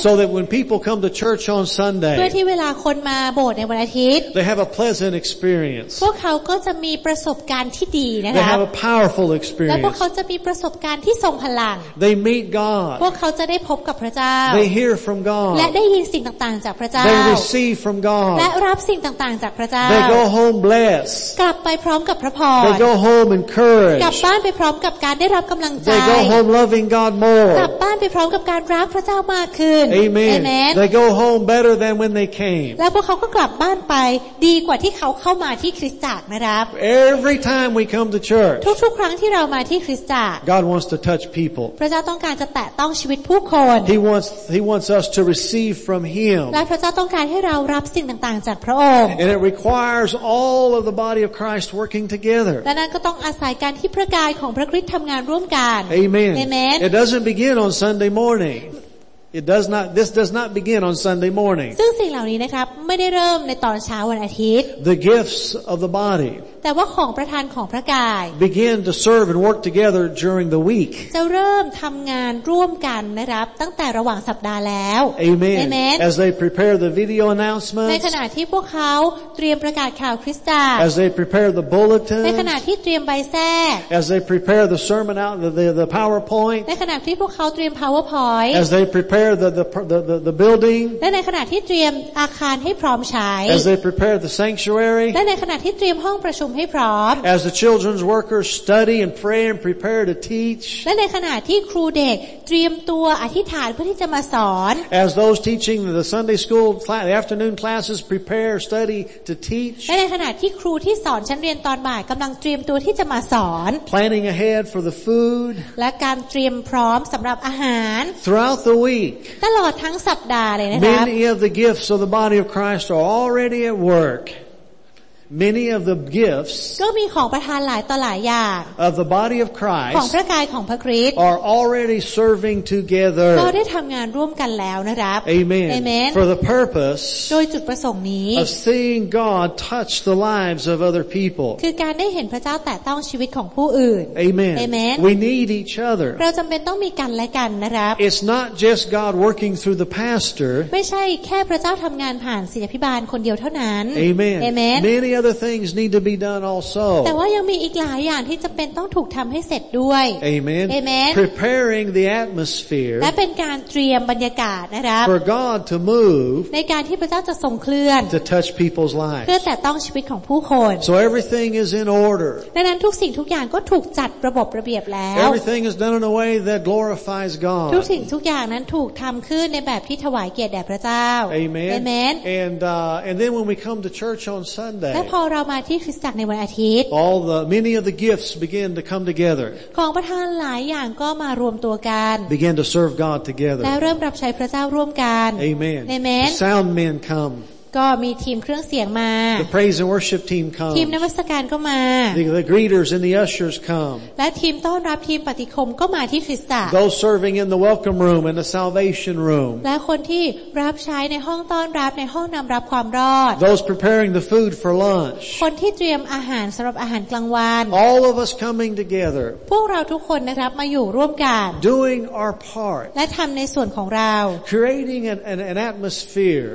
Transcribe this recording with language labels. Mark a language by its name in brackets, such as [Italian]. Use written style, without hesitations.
[English] So that when people come to church on Sunday [Thai] เพื่อที่เวลาคนมาโบสถ์ในวันอาทิตย์ [English] They havePleasant experience. [Thai] พวกเขาก็จะมีประสบการณ์ที่ดีนะคะ [English] They have a powerful experience. [Thai] และพวกเขาจะมีประสบการณ์ที่ทรงพลัง [English] They meet God. [Thai] พวกเขาจะได้พบกับพระเจ้า [English] They hear from God. [Thai] และได้ยินสิ่งต่างๆจากพระเจ้า [English] They receive from God. [Thai] และรับสิ่งต่างๆจากพระเจ้า [English] They go home blessed. [Thai] กลับไปพร้อมกับพระพร [English] They go home encouraged. [Thai] กลับบ้านไปพร้อมกับการได้รับกำลังใจ [English] They go home loving God more. [Thai] กลับบ้านไปพร้อมกับการรักพระเจ้ามากขึ้น [English] Amen. Amen. They go home better than when they came. [Thai] และพวกเขาก็กลับบ้านไปดีกว่าที่เขาเข้ามาที่คริสตจักรนะครับ [English] Every time we come to church [Thai] ทุกๆครั้งที่เรามาที่คริสตจักร [English] God wants to touch people [Thai] พระเจ้าต้องการจะแตะต้องชีวิตผู้คน [English] He wants us to receive from him [Thai] และพระเจ้าต้องการให้เรารับสิ่งต่างๆจากพระองค์ [English] And it requires all of the body of Christ working together [Thai] ดังนั้นก็ต้องอาศัยการที่พระกายของพระคริสต์ทำงานร่วมกัน [English] Amen Amen It doesn't begin on Sunday mornings It does not. This does not begin on Sunday morning. [Thai] ซึ่งสิ่งเหล่านี้นะครับไม่ได้เริ่มในตอนเช้าวันอาทิตย์ [English] The gifts of the body. [Thai] แต่ว่าของประทานของพระกาย [English] Begin to serve and work together during the week. [Thai] จะเริ่มทำงานร่วมกันนะครับตั้งแต่ระหว่างสัปดาห์แล้ว [English] Amen. Amen. As they prepare the video announcements. [Thai] ในขณะที่พวกเขาเตรียมประกาศข่าวคริสตจักร [English] As they prepare the bulletin. [Thai] ในขณะที่เตรียมใบแทรก [English] As they prepare the sermon out the PowerPoint. [Thai] ในขณะที่พวกเขาเตรียม PowerPoint. [English] As they prepareThe building. [Thai] และในขณะที่เตรียมอาคารให้พร้อมใช้ [English] As they prepare the sanctuary. [Thai] และในขณะที่เตรียมห้องประชุมให้พร้อม [English] As the children's workers study and pray and prepare to teach. [Thai] และในขณะที่ครูเด็กเตรียมตัวอธิษฐานเพื่อที่จะมาสอน [English] As those teaching the Sunday school class, the afternoon classes prepare, study to teach. [Thai] และในขณะที่ครูที่สอนชั้นเรียนตอนบ่ายกำลังเตรียมตัวที่จะมาสอน [English] Planning ahead for the food. [Thai] และการเตรียมพร้อมสำหรับอาหาร [English] Throughout the week. [Thai] ตลอดทั้งสัปดาห์เลยนะครับ [English] Many of the gifts of the body of Christ are already at work. Many of the gifts [Thai] ก็มีของประทานหลายต่อหลายอย่าง [English] of the body of Christ [Thai] ของพระกายของพระคริสต์ [English] are already serving together. [Thai] ก็ได้ทำงานร่วมกันแล้วนะครับ [English] Amen. Amen. For the purpose [Thai] โดยจุดประสงค์นี้ [English] of seeing God touch the lives of other people [Thai] คือการได้เห็นพระเจ้าแตะต้องชีวิตของผู้อื่น [English] Amen. Amen. We need each other. [Thai] เราจำเป็นต้องมีกันและกันนะครับ [English] It's not just God working through the pastor. [Thai] ไม่ใช่แค่พระเจ้าทำงานผ่านศิษยาภิบาลคนเดียวเท่านั้น [English] Amen. Amen. Manyother things need to be done also [Thai] แต่ว่ายังมีอีกหลายอย่างที่จะเป็นต้องถูกทำให้เสร็จด้วย [English] Amen. Amen preparing the atmosphere [Thai] และเป็นการเตรียมบรรยากาศนะครับ [English] for God to move [Thai] ในการที่พระเจ้าจะทรงเคลื่อน [English] to touch people's lives [Thai] เพื่อแตะต้องชีวิตของผู้คน [English] so everything is in order [Thai] ดังนั้นทุกสิ่งทุกอย่างก็ถูกจัดระบบระเบียบแล้ว [English] everything is done in a way that glorifies God [Thai] ทุกสิ่งทุกอย่างนั้นถูกทำขึ้นในแบบที่ถวายเกียรติแด่พระเจ้า [English] Amen. Amen and then when we come to church on Sunday [Thai] และพอเรามาที่คริสตจักรในวันอาทิตย์ [English] All the many of the gifts begin to come together [Thai] ของประทานหลายอย่างก็มารวมตัวกัน [English] Begin to serve God together [Thai] และเริ่มรับใช้พระเจ้าร่วมกัน [English] Amen Amen The sound men come [Thai] ก็มีทีมเครื่องเสียงมา [English] The praise and worship team comes [Thai] ทีมนมัสการก็มา [English] The greeters and the ushers come [Thai] และทีมต้อนรับทีมปฏิคมก็มาที่คริสตจักร [English] Those serving in the welcome room and the salvation room [Thai] และคนที่รับใช้ในห้องต้อนรับในห้องนำรับความรอด [English] Those preparing the food for lunch [Thai] คนที่เตรียมอาหารสำหรับอาหารกลางวัน [English] All of us coming together [Thai] พวกเราทุกคนนะครับมาอยู่ร่วมกัน [English] Doing our part [Thai] และทำในส่วนของเรา [English] Creating an atmosphere